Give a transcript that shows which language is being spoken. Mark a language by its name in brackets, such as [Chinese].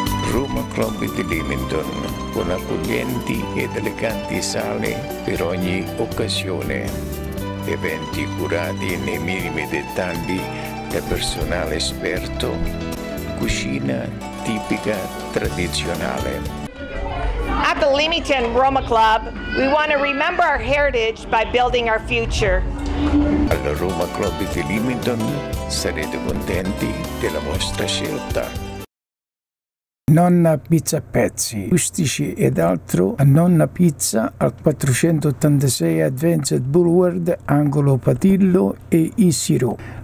[Italian] Roma Club di Leamington, con accoglienti ed eleganti sale per ogni occasione. Eventi curati nei minimi dettagli da personale esperto, cucina tipica tradizionale. [English] At the Leamington Roma Club, we want to remember our heritage by building our future. [Italian] Al Roma Club di Leamington sarete contenti della vostra scelta. Nonna Pizza Pezzi, rustici ed altro a Nonna Pizza al 486 Advanced Boulevard, angolo Patillo e Isiro.